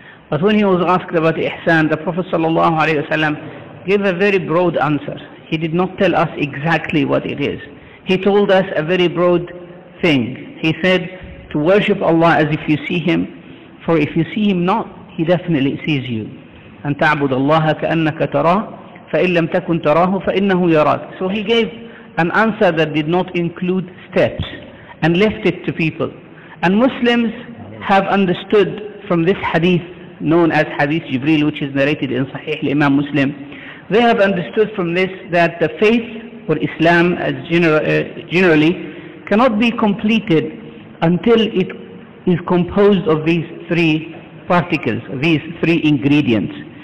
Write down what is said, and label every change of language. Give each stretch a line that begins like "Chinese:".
English: But when he was asked about Ihsan, the Prophet sallallahu alaihi wasallam gave a very broad answer. He did not tell us exactly what it is. He told us a very broad thing. He said to worship Allah as if you see Him, for if you see Him not, He definitely sees you.
Arabic: أن تعبد الله كأنك تراه فإن لم تكن تراه فإنه يراك.
English: So he gave an answer that did not include steps and left it to people. And Muslims have understood from this hadith known as Hadith Jibreel, which is narrated in Sahih Imam Muslim. They have understood from this that the faith or Islam as generally cannot be completed until it is composed of these three particles, these three ingredients.